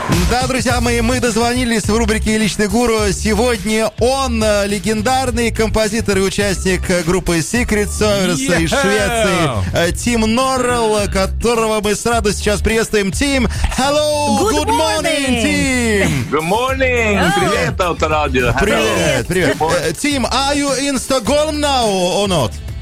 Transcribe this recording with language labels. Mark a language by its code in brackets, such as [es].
[ru] Да, друзья мои, мы дозвонились в рубрике «Личный гуру». Сегодня он легендарный композитор и участник группы Secret Service из Швеции. Тим Норрелл, которого мы с радостью сейчас приветствуем. [en] Тим, hello, good morning, Тим. Good morning, [ru] привет, [en] авторадио. [ru] Привет, привет. [en] Тим, are you in Stockholm now or not?